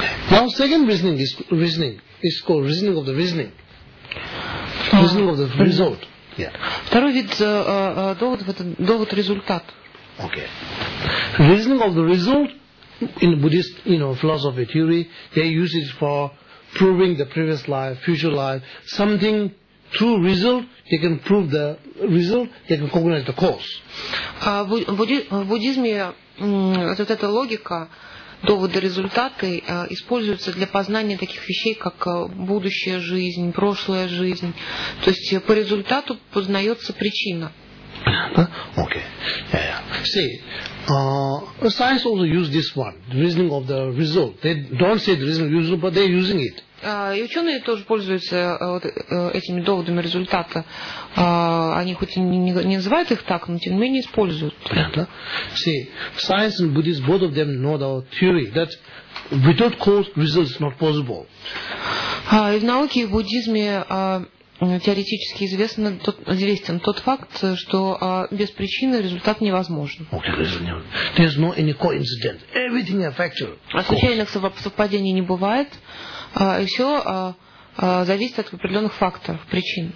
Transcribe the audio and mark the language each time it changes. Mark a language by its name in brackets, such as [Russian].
[English] Now second reasoning is called reasoning of the reasoning. Reasoning of the result. Yeah. [Russian] Второй вид доводов это довод результат. [English] Okay. Reasoning of the result in Buddhist, you know, philosophy theory, they use it for proving the previous life, future life, something through result, they can prove the result, they can cognize the cause. [Russian] В буддизме вот эта логика. Доводы, результаты используются для познания таких вещей, как будущая жизнь, прошлая жизнь. То есть по результату познается причина. [English] Okay. Yeah, yeah. See, science also use this one, the reasoning of the result. They don't say the reason usually, but they're using it. [Russian] И ученые тоже пользуются этими доводами результата. Они хоть и не называют их так, но тем не менее используют. Понятно? [English] See, science and Buddhist, both of them know the theory that without cause, result is not possible. [Russian] И в науке, и в буддизме теоретически известен тот факт, что без причины результат невозможен. [English] There's no any coincidence. Everything is a factor. [Russian] А случайных совпадений не бывает. И все зависит от определенных факторов, причин.